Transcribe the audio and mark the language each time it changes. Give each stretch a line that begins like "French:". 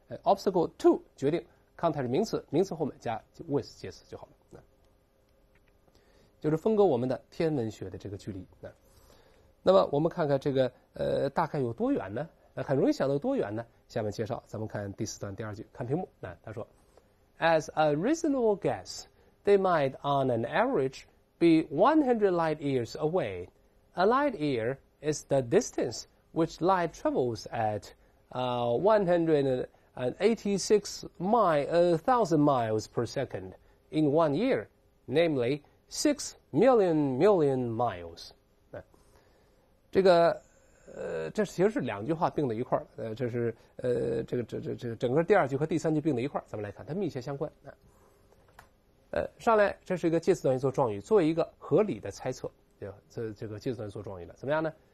Chinese: Obstacle to 决定 contact 是名词，名词后面加 with 介词就好了。就是分割我们的天文学的这个距离。那么我们看看这个大概有多远呢？很容易想到多远呢？下面介绍，咱们看第四段第二句，看屏幕。
English: 他说 ，As a reasonable guess。 They might, on an average, be 100 light years away. A light year is the distance which light travels at 186,000 miles per second in one year, namely 6 million million miles.
Chinese: 这其实是两句话并在一块儿。整个第二句和第三句并在一块儿，咱们来看，它密切相关。上来这是一个介词短语做状语，做一个合理的猜测，这个介词短语做状语的怎么样呢？